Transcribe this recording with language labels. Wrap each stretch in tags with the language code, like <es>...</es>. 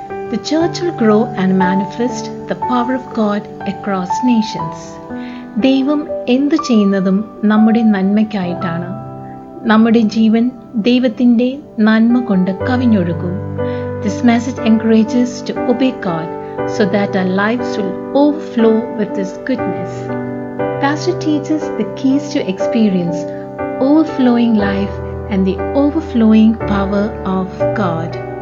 <en>The church will grow and manifest the power of God across nations.</en> <ml>ദൈവം എന്തു ചെയ്യുന്നതും നമ്മുടെ നന്മയ്ക്കായിട്ടാണ്. നമ്മുടെ ജീവൻ ദൈവത്തിൻ്റെ നന്മ കൊണ്ട് കവിഞ്ഞൊഴുകും.</ml> <en>This message encourages to obey God so that our lives will overflow with His goodness. Pastor teaches the keys to experience overflowing life and the overflowing power of God.</en>